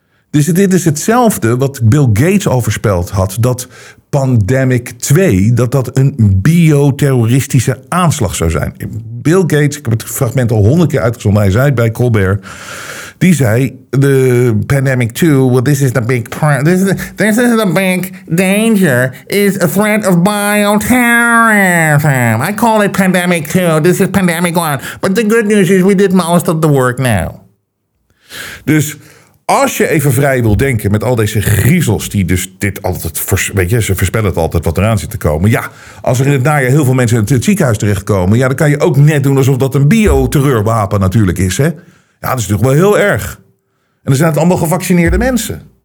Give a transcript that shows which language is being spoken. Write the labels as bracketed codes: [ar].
[nl] Dus dit is hetzelfde wat Bill Gates al voorspeld had, dat Pandemic 2, dat een bioterroristische aanslag zou zijn. Bill Gates, ik heb het fragment al 100 keer uitgezonden, hij zei het bij Colbert, die zei, [en] the Pandemic 2, well, this is the big danger, is a threat of bioterrorism. I call it Pandemic 2, this is Pandemic 1. But the good news is, we did most of the work now. [nl] Dus Als je even vrij wil denken met al deze griezels die dus dit altijd... Weet je, ze voorspellen het altijd wat eraan zit te komen. Ja, als er in het najaar heel veel mensen in het ziekenhuis terechtkomen... Ja, dan kan je ook net doen alsof dat een bioterreurwapen natuurlijk is. Hè? Ja, dat is natuurlijk wel heel erg. En dan zijn het allemaal gevaccineerde mensen.